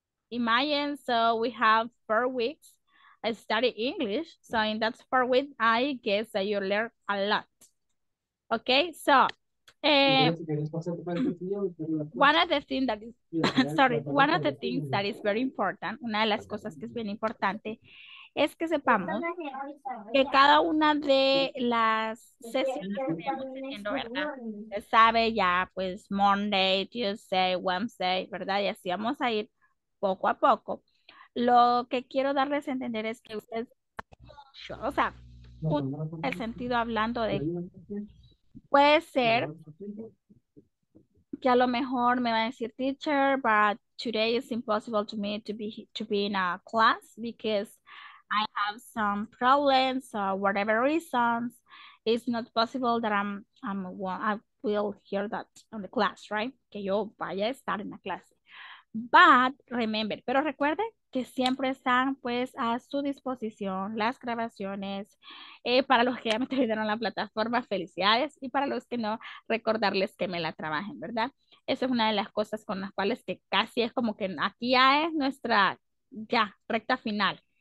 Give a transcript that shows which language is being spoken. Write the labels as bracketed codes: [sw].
[en] Imagine, so we have 4 weeks. I study English, so in that 4 weeks, I guess that you learn a lot. Okay, so one of the things that is very important. [es] Una de las cosas que es bien importante. Es que sepamos que cada una de las sesiones que estamos teniendo, ¿verdad? Se sabe ya, pues, Monday, Tuesday, Wednesday, ¿verdad? Y así vamos a ir poco a poco. Lo que quiero darles a entender es que ustedes, o sea, en el sentido hablando de, puede ser que a lo mejor me va a decir, [en] teacher, but today is impossible to me to be in a class because I have some problems or whatever reasons. It's not possible that I will hear that on the class, right? [es] Que yo vaya a estar en la clase. [en] But remember, [es] pero recuerde que siempre están pues a su disposición las grabaciones. Para los que ya me terminaron la plataforma, felicidades. Y para los que no, recordarles que me la trabajen, ¿verdad? Esa es una de las cosas con las cuales que casi es como que aquí ya es nuestra ya recta final.